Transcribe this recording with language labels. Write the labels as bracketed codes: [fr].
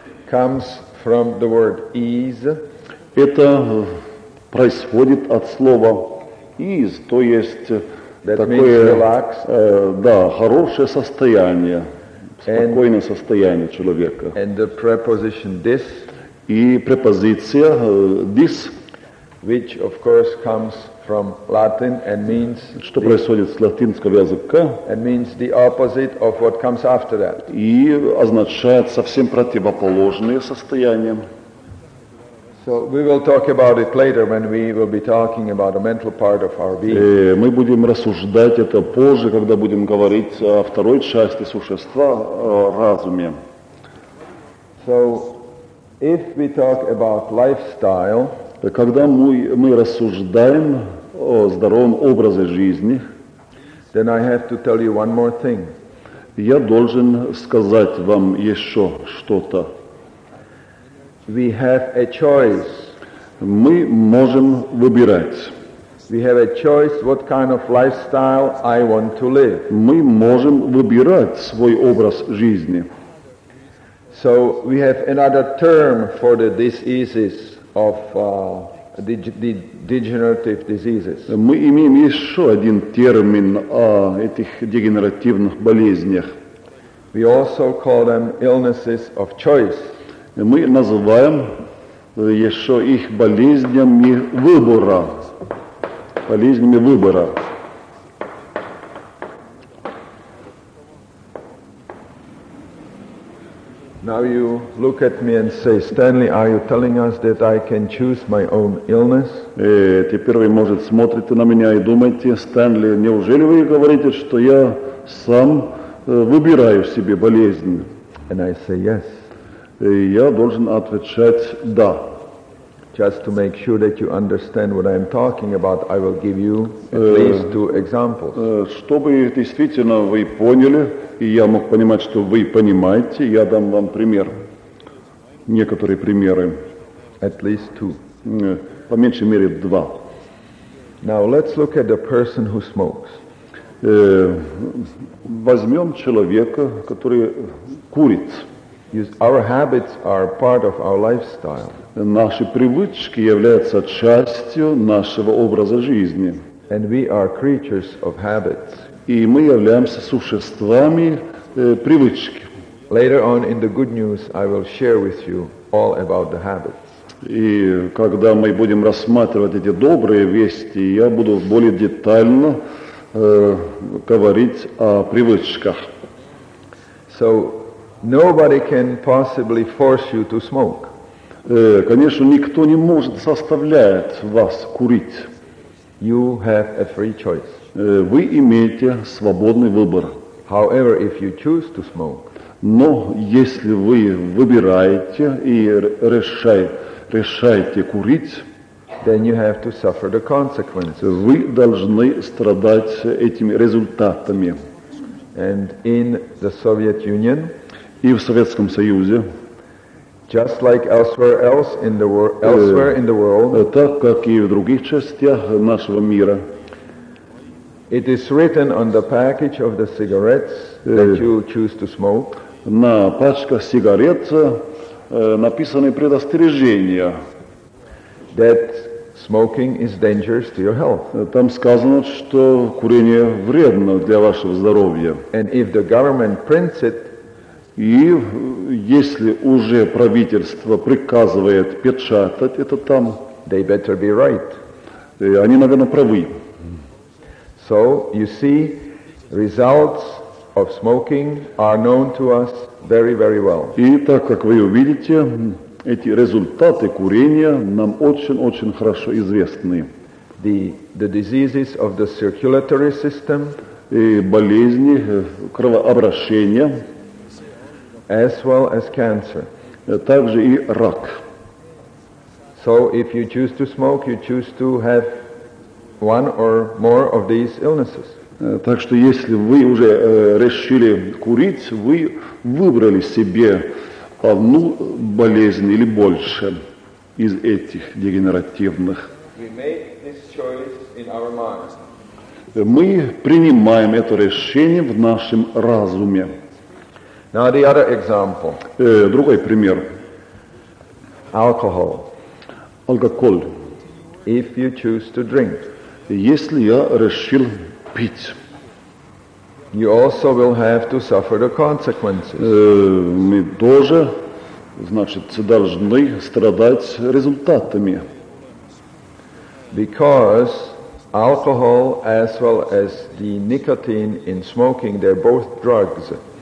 [en] comes from the word ease. [ru] Это происходит от слова ease, то есть [en] that [ru] такое [en] relax, [ru] да, хорошее состояние, спокойное and, состояние человека. [en] And the preposition this, [ru] и препозиция this, [en] which of course comes from Latin and means, [ru] что происходит с латинского языка, [en] and means the opposite of what comes after that. [ru] И означает совсем противоположное состояние. [en] So we will talk about it later when we will be talking about the mental part of our being. [ru] Мы будем рассуждать это позже, когда будем говорить о второй части существа, о разуме. [en] So if we talk about lifestyle, [ru] когда мы рассуждаем о здоровом образе жизни, [en] then I have to tell you one more thing. [ru] Я должен сказать вам еще что-то. [en] We have a choice. [ru] Мы можем выбирать. [en] We have a choice what kind of lifestyle I want to live. [ru] Мы можем выбирать свой образ жизни. [en] So we have another term for the diseases of degenerative diseases. [ru] Мы имеем еще один термин о этих дегенеративных болезнях. [en] We also call them illnesses of choice. [ru] Мы называем еще их болезнями выбора. Болезнями выбора. [en] Now you look at me and say, Stanley, are you telling us that I can choose my own illness? [ru] Теперь вы, может, смотрите на меня и думаете, Стэнли, неужели вы говорите, что я сам выбираю себе болезнь? [en] And I say yes. [ru] Я должен отвечать да. [en] Just to make sure that you understand what I'm talking about, I will give you at least two examples. [ru] Чтобы действительно вы поняли, и я мог понимать, что вы понимаете, я дам вам пример. Некоторые примеры. [en] At least two. [ru] По меньшей мере два. [en] Now let's look at the person who smokes. [ru] Возьмем человека, который курит. [en] Our habits are part of our lifestyle. [ru] Наши привычки являются частью нашего образа жизни. [en] And we are creatures of habits. [ru] И мы являемся существами привычки. [en] Later on in the good news I will share with you all about the habits. [ru] И когда мы будем рассматривать эти добрые вести, я буду более детально говорить о привычках. [en] So nobody can possibly force you to smoke. [ru] Конечно, никто не может заставлять вас курить. [en] You have a free choice. [ru] Вы имеете свободный выбор. [en] However, if you choose to smoke, [ru] но если вы выбираете и решаете курить, [en] then you have to suffer the consequences. [ru] Вы должны страдать этими результатами. [en] And in the Soviet Union, [ru] и в Советском Союзе, [en] just like elsewhere else in the world, elsewhere in the world, [ru] так как и в других частях нашего мира, [en] it is written on the package of the cigarettes that you choose to smoke. [ru] На пачках сигарет написаны предостережения, [en] that smoking is dangerous to your health. [ru] Там сказано, что курение вредно для вашего здоровья. [en] And if the government prints it, [ru] и если уже правительство приказывает печатать это там, [en] they better be right. [ru] Они, наверное, правы. [en] So, you see, results of smoking are known to us very, very well. [ru] И так как вы увидите, эти результаты курения нам очень-очень хорошо известны. [en] The diseases of the circulatory system, [ru] и болезни кровообращения, [en] as well as cancer. [ru] Также и рак. [en] So, if you choose to smoke, you choose to have one or more of these illnesses. [ru] Так что если вы уже решили курить, вы выбрали себе одну болезнь или больше из этих дегенеративных. [en] We make this choice in our minds. [ru] Мы принимаем это решение в нашем разуме. [en] Now the other example. [ru] Другой пример. [en] Alcohol. [ru] Алкоголь. [en] If you choose to drink. [ru] Если я решил пить, [en] you also will have to suffer the consequences. [ru] Мы тоже, значит, должны страдать результатами. [en] Because alcohol as well as the nicotine in smoking, they're both drugs.